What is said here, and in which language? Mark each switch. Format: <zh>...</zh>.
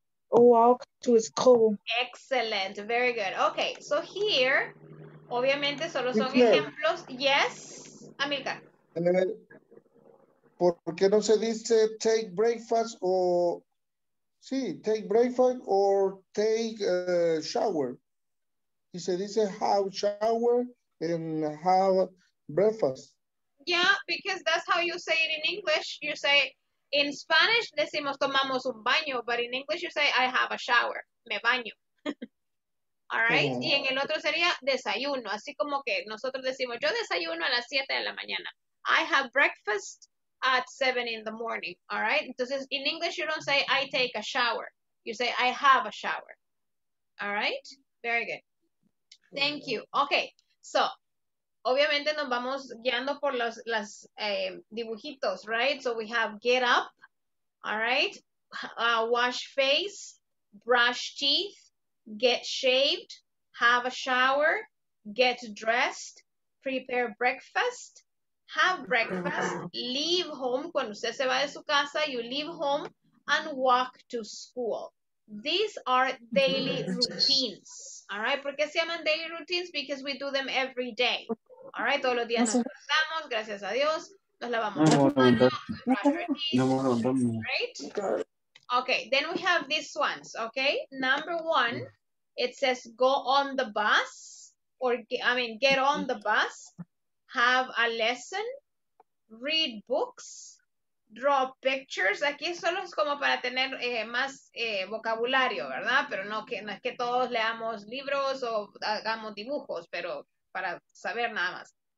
<en>Walk to school. Excellent. Very good. Okay. So here,</en> <es>obviamente, solo son ejemplos.</es> <en>Yes, Amilcar.</en> <es>¿Por qué no se dice</es> <en>take breakfast or...</en> <es>Sí,</es> <en>take breakfast or take a shower?</en> <es>Y se dice</es> <en>have shower and have breakfast. Yeah, because that's how you say it in English. You say, in Spanish,</en> <es>decimos tomamos un baño,</es> <en>but in English you say, I have a shower,</en> <es>me baño.</es> <en>All right? Yeah.</en> <es>Y en el otro sería desayuno, así como que nosotros decimos, yo desayuno a las 7 de la mañana.</es> <en>I have breakfast at 7 in the morning, all right?</en> <es>Entonces,</es> <en>in English you don't say, I take a shower. You say, I have a shower. All right? Very good. Thank you. Okay, so...</en> <es>Obviamente nos vamos guiando por las dibujitos,</es> <en>right? So we have get up, all right? Wash face, brush teeth, get shaved, have a shower, get dressed, prepare breakfast, have breakfast, leave home.</en> <es>Cuando usted se va de su casa,</es> <en>you leave home and walk to school. These are daily routines, all right?</en> <es>¿Por qué se llaman</es> <en>daily routines? Because we do them every day. All right,</en> <es>todos los días nos levantamos, gracias a Dios, nos lavamos las manos.</es> <en>Right? Okay, then we have these ones, okay? Number one, it says go on the bus, get on the bus, have a lesson, read books, draw pictures.</en> <es>Aquí solo es como para tener más vocabulario, ¿verdad? Pero no, que, no es que todos leamos libros o hagamos dibujos, pero para saber nada más.</es>